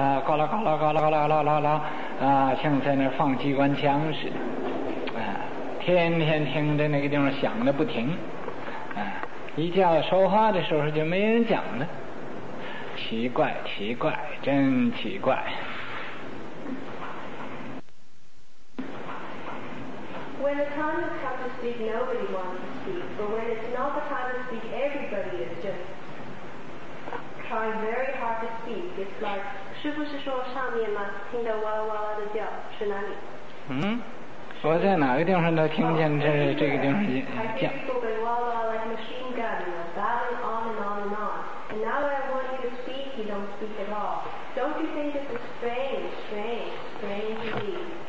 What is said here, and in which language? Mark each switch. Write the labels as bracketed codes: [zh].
[zh] 啊，呱啦呱啦呱啦呱啦呱啦啦，啊，像在那放机关枪似的，啊，天天听着那个地方响的不停，啊，一叫说话的时候就没人讲了，奇怪奇怪，真奇怪。 [en] When the time has come to speak, nobody wants to speak. But when it's not the time to speak, everybody is just trying very hard to speak. It's like, [zh] 师父是说上面吗？听得哇哇哇的叫，是哪里？嗯，我在哪个地方都听见这、oh, 这个地方叫。 [en] I hear people going wah wah like machine gun, babbling on and on and on. And now I want you to speak, you don't speak at all. Don't you think this is strange, strange, strange indeed?